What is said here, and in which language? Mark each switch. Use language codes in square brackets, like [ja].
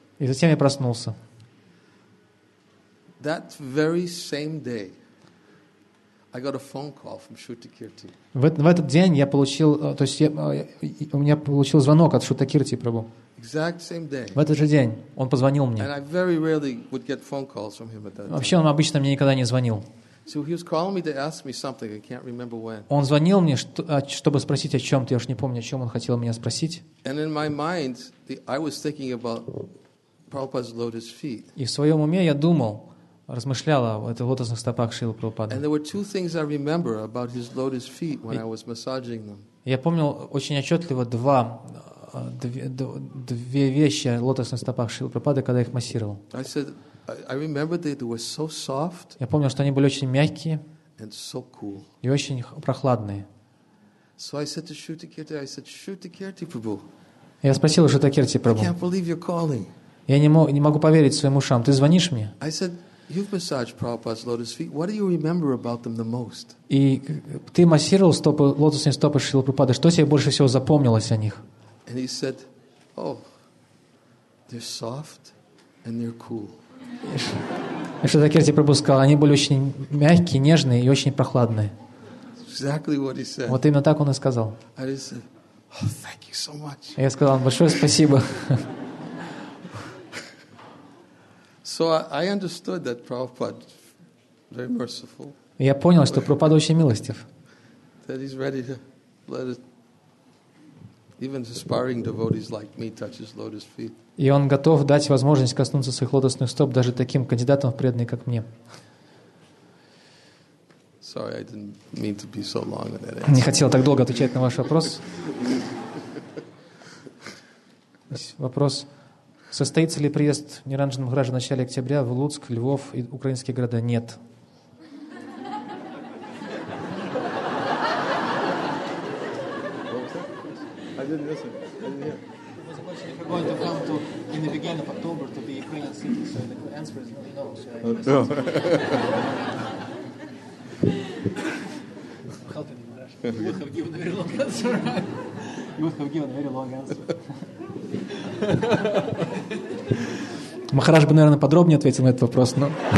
[ru] И затем я проснулся. [en] That very same day, I got a phone call from Shrutakirti. [ru] В этот день я получил, то есть у меня получил звонок от Шрутакирти Прабху. [en] Exact same day. [ru] В этот же день он позвонил мне. [en] And I very rarely would get phone calls from him at that time. [ru] Вообще он обычно мне никогда не звонил. [en] So he was calling me to ask me something. I can't remember when. [ru] Он звонил мне, чтобы спросить о чем-то. Я уж не помню, о чем он хотел меня спросить. [en] And in my mind, I was thinking about Prabhupada's lotus feet. [ru] И в своем уме я думал, размышлял о этих лотосных стопах Шрилы Прабхупады. [en] And there were two things I remember about his lotus feet when I was massaging them. [ru] Я помнил очень отчетливо две вещи о лотосных стопах Шрилы Прабхупады, когда я их массировал. [en] I said. I remember that they were so soft. [ru] Я помню, что они были очень мягкие. [en] And so cool. [ru] И очень прохладные. [en] So I said to Shrutakirti, I said, Shrutakirti Prabhu. [ru] Я спросил Шрутакирти Прабху. [en] I can't believe you're calling. [ru] Я не могу поверить своим ушам. Ты звонишь мне? [en] I said, you've massaged Prabhupada's lotus feet. What do you remember about them the most? [ru] И ты массировал стопы лотосные стопы Шрилы Прабхупады. Что тебе больше всего запомнилось о них? [en] And he said, oh, they're soft and they're cool. [ru] И Шрутакирти Прабху сказал, они были очень мягкие, нежные и очень прохладные. [en] Exactly what he said. [ru] Вот именно так он и сказал. [en] I just said, oh, thank you so much. [ru] Я сказал, большое спасибо. [en] So I understood that Prabhupada very merciful. [ru] Я понял, что Прабхупада очень милостив. [en] That he's ready to let even aspiring devotees like me touch his lotus feet. [ru] И он готов дать возможность коснуться своих лотосных стоп даже таким кандидатам в преданные, как мне. [en] Sorry, I didn't mean to be so long on that. [ru] Не хотел так долго отвечать на ваш вопрос. Вопрос. Состоится ли приезд Ниранджана Махараджа в начале октября в Луцк, Львов и украинские города? Нет. [en] I didn't listen. If you're going to come to in the beginning of October to be a Ukrainian citizen, so the answer is really no. No. [ru] Махарадж бы, наверное, подробнее ответил на этот вопрос, но...